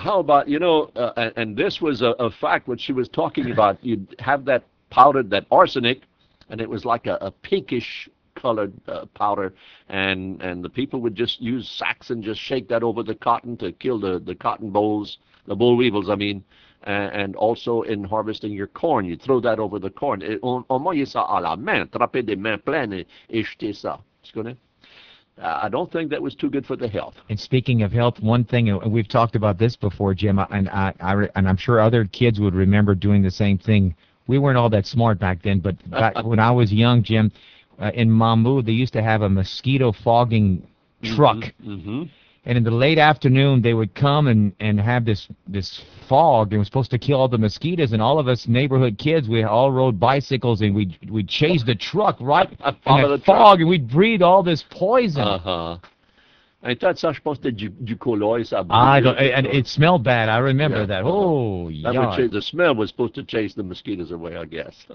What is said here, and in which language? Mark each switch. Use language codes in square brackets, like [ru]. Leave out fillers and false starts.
[en] How about, you know, and this was a fact, what she was talking about, you'd have that powder, that arsenic, and it was like a pinkish colored powder, and the people would just use sacks and just shake that over the cotton to kill the cotton bolls, the boll weevils, I mean, and also in harvesting your corn, you throw that over the corn. [fr] On voyait ça à la main, trapper des mains pleines et jeter ça. Tu connais? [en] I don't think that was too good for the health. And speaking of health, one thing, we've talked about this before, Jim, and I'm sure other kids would remember doing the same thing. We weren't all that smart back then, but back when I was young, Jim, in Mamou, they used to have a mosquito fogging truck. Mm-hmm. And in the late afternoon, they would come and have this fog. It was supposed to kill all the mosquitoes. And all of us neighborhood kids, we all rode bicycles, and we'd chase the truck right in the fog, truck. And we'd breathe all this poison. [fr] Et toi, ça, je pense que du colloïde, ça [en] brûle. And it smelled bad. I remember that. Oh, yeah. The smell was supposed to chase the mosquitoes away, I guess.